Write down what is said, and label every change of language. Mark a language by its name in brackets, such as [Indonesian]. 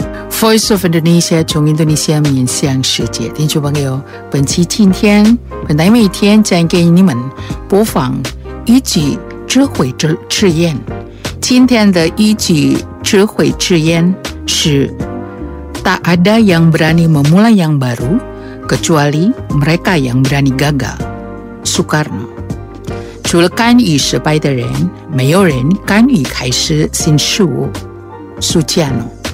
[Chinese] Voice of Indonesia 从印度尼西亚面向世界，听众朋友，本期今天本来每天将给你们播放一句智慧之言。今天的一句智慧之言是 [Indonesian] Tak ada yang berani memulai yang baru kecuali mereka yang berani gagal. Soekarno. [Chinese] 除了甘于失败的人，没有人甘于开始新事物。苏嘉诺。